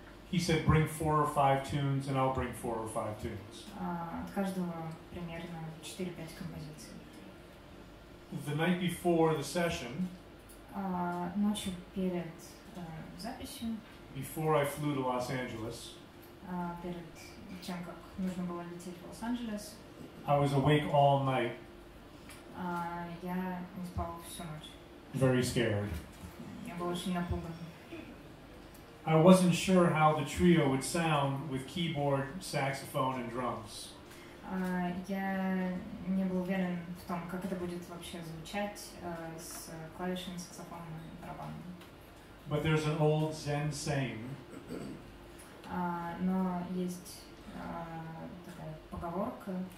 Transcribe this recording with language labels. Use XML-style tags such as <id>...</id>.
<en>He said, bring 4 or 5 tunes, and I'll bring 4 or 5 tunes.</en> <ru>От каждого примерно 4-5 композиций.</ru> <en>The night before the session,</en> <ru>ночью перед записью,</ru> <en>before I flew to Los Angeles,</en> <ru>перед тем, как нужно было лететь в Лос-Анджелес,</ru> <en>I was awake all night.</en> <ru>Я не спал всю ночь.</ru> <en>Very scared.</en> <ru>Я был очень напуган.</ru> <en>I wasn't sure how the trio would sound with keyboard, saxophone, and drums.</en> <ru>Я не был уверен в том, как это будет вообще звучать с клавишами, саксофоном и барабаном.</ru> <en>But there's an old Zen saying.</en> <ru>Но есть такая поговорка.</ru>